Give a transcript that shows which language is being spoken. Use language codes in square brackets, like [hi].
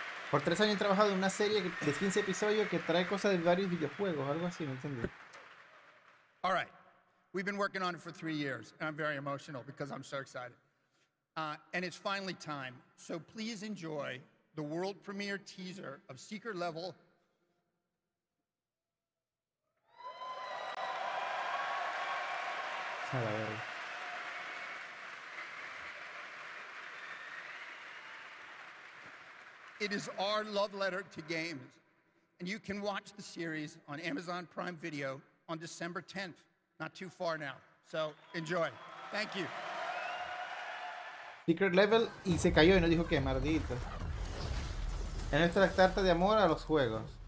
[es] Por 3 años he trabajado en una serie de 15 episodios que trae cosas de varios videojuegos, algo así, ¿me entiendes? [en] All right. We've been working on it for 3 years, and I'm very emotional because I'm so excited. And it's finally time, so please enjoy the world premiere teaser of Secret Level. It is our love letter to games. And you can watch the series on Amazon Prime Video on December 10th, not too far now. So enjoy. Thank you. [es] Secret Level y se cayó y no dijo que mardito. En esta la carta de amor a los juegos.